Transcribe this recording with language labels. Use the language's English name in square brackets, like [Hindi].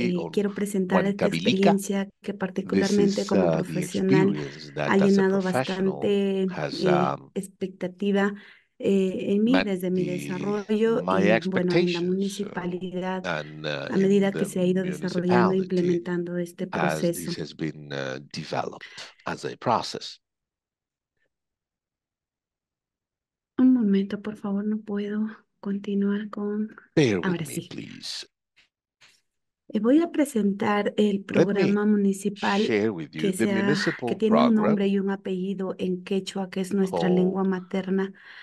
[Spanish] Quiero presentar esta experiencia que particularmente como profesional ha llenado bastante expectativa en mí, desde mi desarrollo y bueno, en la municipalidad a medida que se ha ido desarrollando e implementando este proceso. [English] As this has been developed as a process. [Spanish] Un momento, por favor, no puedo continuar con... [English] Bear with me, please. [Spanish] Voy a presentar el programa municipal que tiene un nombre y un apellido en quechua, que es nuestra lengua materna.